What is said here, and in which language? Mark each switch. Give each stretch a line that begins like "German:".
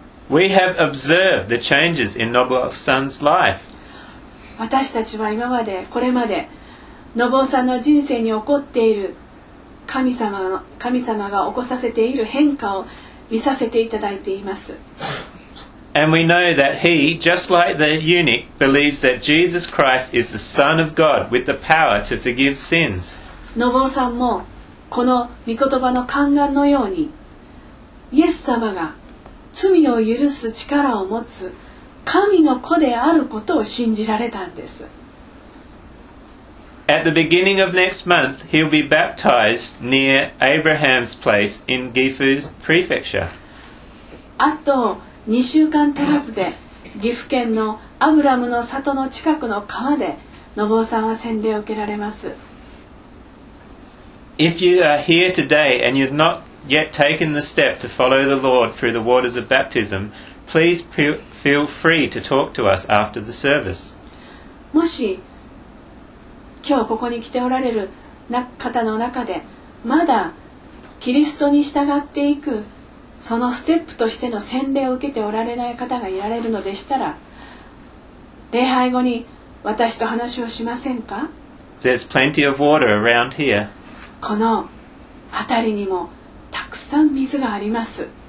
English: We have observed the changes in Nobuo-san's life.
Japanese: 私たちは今までこれまで信夫さんの人生に起こっている神様が起こさせている変化を見させていただいています。
English: And we know that he, just like the eunuch, believes that Jesus Christ is the Son of God with the power to forgive sins.
Japanese: 信夫さんもこの御言葉の宦官のようにイエス様が罪を許す力を持つ神の子であることを信じられたんです。
English: At the beginning of next month, he'll be baptized near Abraham's place in Gifu Prefecture.
Japanese: あと2週間足らずで、岐阜県のアブラムの里の近くの川で、信夫さんは洗礼を受けられます。
English: If you are here today and you've not yet taken the step to follow the Lord through the waters of baptism, please feel free to talk to us after the service.
Japanese: もし今日ここに来ておられる方の中でまだキリストに従っていくそのステップとしての洗礼を受けておられない方がいられるのでしたら礼拝後に私と話をしませんか?
English: There's plenty of water around here.
Japanese: この辺りにもたくさん水があります。